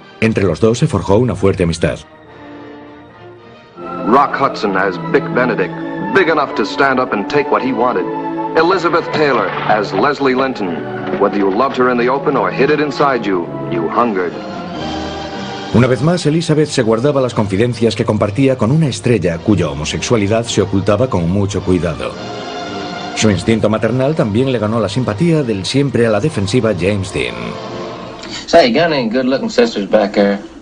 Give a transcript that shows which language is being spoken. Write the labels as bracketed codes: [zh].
[es] Entre los dos se forjó una fuerte amistad. [en] Rock Hudson as Big Benedict, big enough to stand up and take what he wanted. Elizabeth Taylor as Leslie Linton. Whether you loved her in the open or hid it inside you, you hungered. [es] Una vez más, Elizabeth se guardaba las confidencias que compartía con una estrella cuya homosexualidad se ocultaba con mucho cuidado. Su instinto maternal también le ganó la simpatía del siempre a la defensiva James Dean. [en] Say, you got any good looking sisters back there?